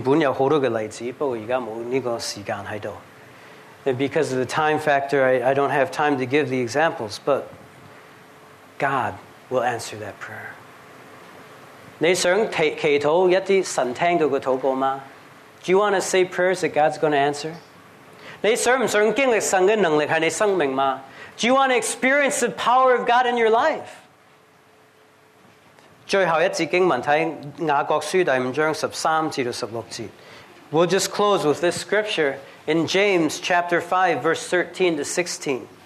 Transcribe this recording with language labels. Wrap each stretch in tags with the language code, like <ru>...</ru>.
<yue>因为时间呢，我就原本有好多嘅例子，不过而家冇呢个时间喺度。</yue> <en>And because of the time factor, I don't have time to give the examples, but God will answer that prayer.</en> <yue>你想祈祷一啲神听到嘅祷告吗？</yue> <en>Do you want to say prayers that God's going to answer?</en> <yue>你想唔想经历神嘅能力喺你生命吗？</yue> <en>Do you want to experience the power of God in your life?</en> <yue>最后一节经文睇雅各书第五章13至16节。</yue> <en>We'll just close with this scripture in James chapter 5, verse 13 to 16.</en>